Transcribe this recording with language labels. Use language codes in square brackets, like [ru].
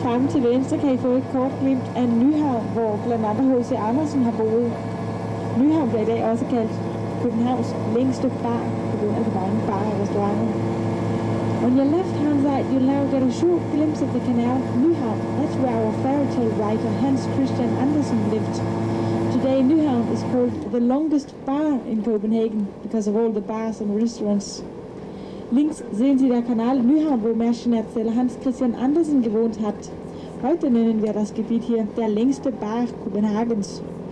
[da] Til venstre kan I få et kort glimt af Nyhavn, hvor blandt andet H.C. Andersen har boet. Nyhavn bliver i dag også kaldt Københavns længste bar, på grund af de mange bar og restauranter. [en] On your left hand side, you'll now get a short glimpse of the canal Nyhavn. That's where our fairy tale writer Hans Christian Andersen lived. Today, Nyhavn is called the longest bar in Copenhagen because of all the bars and restaurants. [de] Links sehen Sie der Kanal Nyhavn, wo Märchenerzähler Hans Christian Andersen gewohnt hat. Heute nennen wir das Gebiet hier der längste Bar Kopenhagens.